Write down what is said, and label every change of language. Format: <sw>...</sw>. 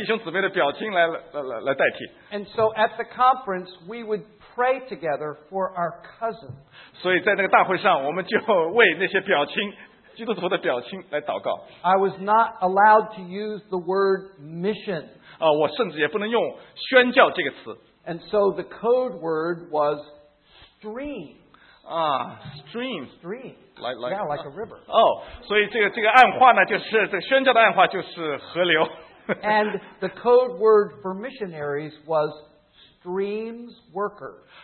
<zh>我就用表亲这个字来弟兄姊妹的表亲来代替。</zh> <en>And so at the conference, we would pray together for our cousin.</en> <zh>所以在那个大会上，我们就为那些表亲，基督徒的表亲来祷告。</zh> <en>I was not allowed to use the word mission.</en> <zh>我甚至也不能用宣教这个词。</zh> <en>And so the code word was stream. Like a river.</en> <zh>所以这个暗话呢，就是这宣教的暗话，就是河流。</zh> <en>And the code word for missionaries was streams worker.</en>